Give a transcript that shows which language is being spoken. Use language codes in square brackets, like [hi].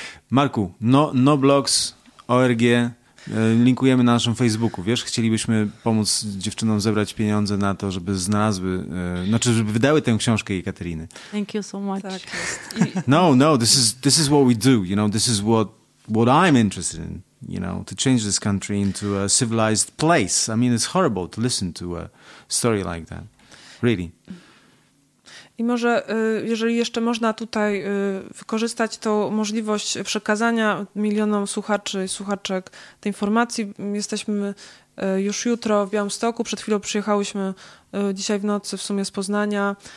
[pl] Marku, noblogs.org, linkujemy na naszym Facebooku, wiesz? Chcielibyśmy pomóc dziewczynom zebrać pieniądze na to, żeby znalazły, znaczy, żeby wydały tę książkę jej Kateriny. [en] Thank you so much. Tak. No, this is what we do, you know, this is what I'm interested in, you know, to change this country into a civilized place. I mean, it's horrible to listen to a story like that, really. [pl] I może, jeżeli jeszcze można tutaj wykorzystać tą możliwość przekazania milionom słuchaczy i słuchaczek tej informacji. Jesteśmy już jutro w Białymstoku. Przed chwilą przyjechałyśmy dzisiaj w nocy w sumie z Poznania.